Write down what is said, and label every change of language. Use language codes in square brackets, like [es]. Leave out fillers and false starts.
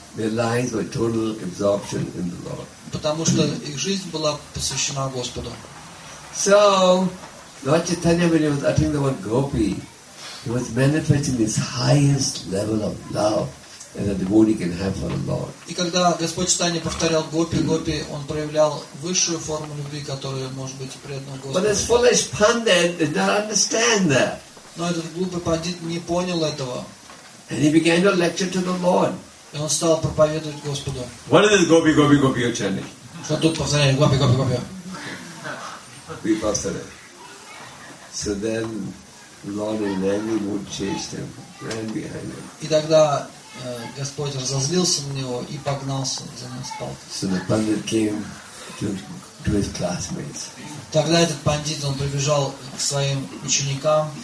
[en] Their lives were total absorption in the Lord. [ru] Потому что их жизнь была посвящена Господу. [en] So, Lord Chaitanya, when he was uttering the word Gopi, He was manifesting this highest level of love that a devotee can have for the Lord. [ru] И когда Господь Читание повторял Гопи, Гопи, он проявлял высшую форму любви, которая может быть преданного Господа. [en] But this foolish pundit did not understand that. [ru] Но этот глупый пандит не понял этого. [en] And he began to lecture to the Lord. [ru] И он стал проповедовать Господу. [en] What is this Gopi, Gopi, Gopi, you're chanting? [ru] Что тут повторяем? Гопи, Гопи, Гопи. [en] We passed it. So then, Lord in anger would chase them, ran behind them. [ru] И тогда Господь разозлился на него и погнался за ним с палкой. [en] So the pundit came to his classmates. [ru] Тогда этот пандит он прибежал к своим ученикам.